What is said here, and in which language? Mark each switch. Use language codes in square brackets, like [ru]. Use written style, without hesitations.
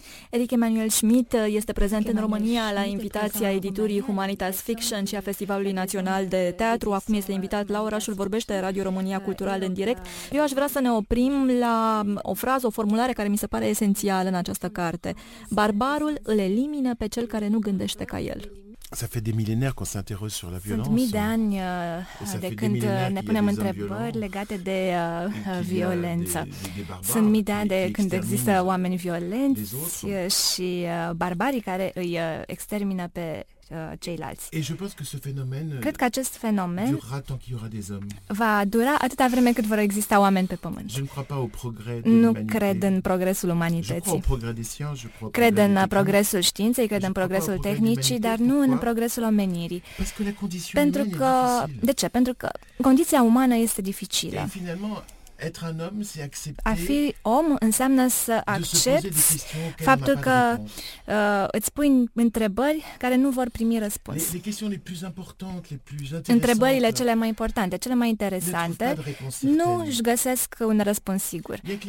[ro] Eric Emmanuel Schmidt este prezent în România la invitația editurii Humanitas Fiction și a Festivalului Național de Teatru. Acum este invitat la Orașul Vorbește, Radio România Cultural în direct. Eu aș vrea să ne oprim la o frază, o formulare care mi se pare esențială în această carte. Barbarul îl elimină pe cel care nu gândește ca el. [fr] Ça fait des millénaires qu'on s'interroge sur la violence. [ro] Sunt mii de ani de când ne punem întrebări legate de violență. Sunt mii de ani de când există oameni violenți și barbarii care îi extermină pe ceilalți. [fr] Et je pense que ce phénomène, [ro] cred că acest fenomen [fr] durera tant qu'il y aura des hommes. [ro] Va dura atâta vreme cât vor exista oameni pe pământ. [fr] Je ne crois pas au progrès de l'humanité. [ro] Nu cred în progresul umanității. [fr] Je crois au progrès des sciences, je crois [ro] cred în progresul științei, cred în progresul tehnicii, dar nu în progresul omenirii. [fr] Parce que la condition [ro] pentru [fr] humaine [ro] că, [fr] est difficile. [ro] De ce? Pentru că condiția umană este dificilă. [fr] Et finalement, être un homme, c'est accepter. [ro] A fi om înseamnă să accepti faptul că îți pui întrebări care nu vor primi răspuns. [fr] Les questions les plus importantes, les plus intéressantes. [ro] Întrebările cele mai importante, cele mai interesante, nu își găsesc un răspuns sigur.